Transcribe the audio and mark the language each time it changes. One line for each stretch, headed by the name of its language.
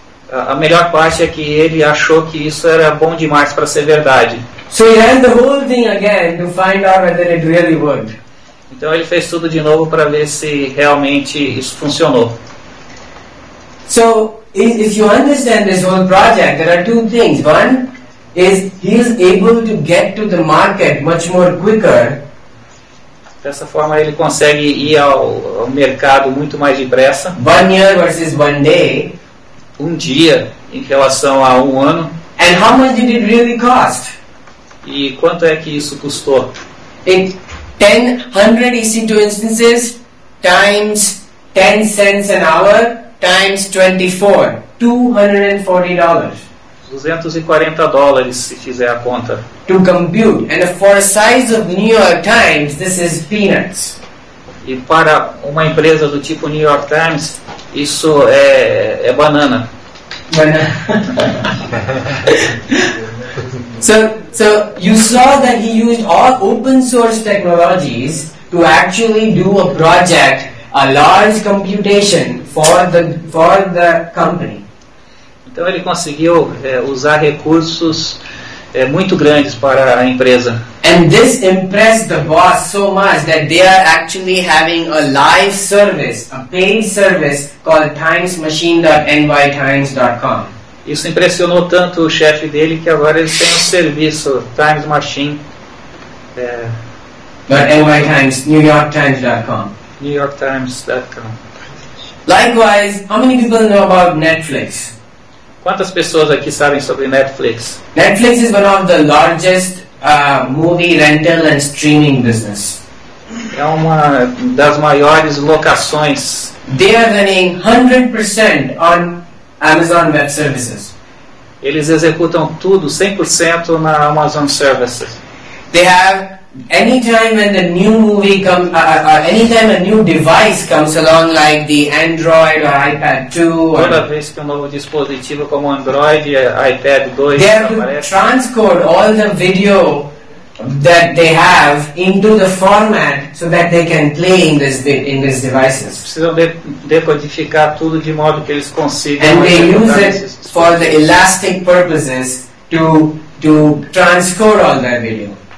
Portuguese: A melhor parte é que ele achou que isso era bom demais para ser verdade.
English: So he ran the whole thing again to find out whether it really worked.
Portuguese: Então ele fez tudo de novo para ver se realmente isso funcionou.
English: So if you understand this whole project, there are 2 things. One is he is able to get to the market much more quicker.
Portuguese: Dessa forma ele consegue ir ao mercado muito mais depressa.
English: 1 year versus 1 day.
Portuguese: Um dia em relação a 1 ano.
English: And how much did it really cost?
Portuguese: E quanto é que isso custou?
English: In 100 EC2 instances times 10 cents an hour times 24, $240.
Portuguese: $240, se fizer a conta.
English: To compute. And for a size of New York Times, this is peanuts.
Portuguese: E para uma empresa do tipo New York Times, isso é banana. Banana.
English: So you saw that he used all open source technologies to to actually do a project, a large computation for the company.
Portuguese: Então ele conseguiu usar recursos muito grandes para a empresa.
English: And this impressed the boss so much that they are actually having a live service, a paid service called timesmachine.nytimes.com.
Portuguese: Isso impressionou tanto o chefe dele que agora ele tem um serviço Times Machine.
English: NYTimes.com. NewYorkTimes.com. Likewise, how many people know about Netflix?
Portuguese: Quantas pessoas aqui sabem sobre Netflix?
English: Netflix is one of the largest movie rental and streaming business.
Portuguese: É uma das maiores locações.
English: They are running 100% on Amazon Web Services.
Portuguese: Eles executam tudo 100% na Amazon Services.
English: They have anytime a new device comes along, like the Android or iPad 2,
Portuguese: toda vez que um novo dispositivo como Android e iPad 2,
English: they have to transcode all the video that they have into the format so that they can play in these devices.
Portuguese: Precisam decodificar tudo de modo que eles consigam.
English: And they use it for the elastic purposes to transcode all that video.